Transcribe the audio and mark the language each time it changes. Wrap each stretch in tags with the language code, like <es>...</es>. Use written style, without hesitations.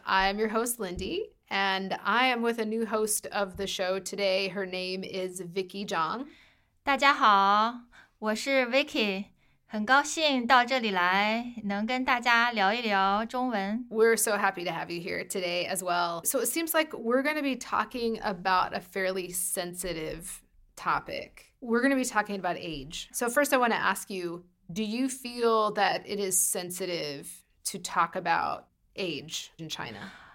<en>I'm your host, Lindy, and I am with a new host of the show today. Her name is Vicky Zhang.</en> <zh>大家好，我是 Vicky， 很高兴到这里来，能跟大家聊一聊中文。</zh> <en>We're so happy to have you here today as well. So it seems like we're going to be talking about a fairly sensitive topic. We're going to be talking about age. So first I want to ask you,Do you feel that it is sensitive to talk about age in China?</en>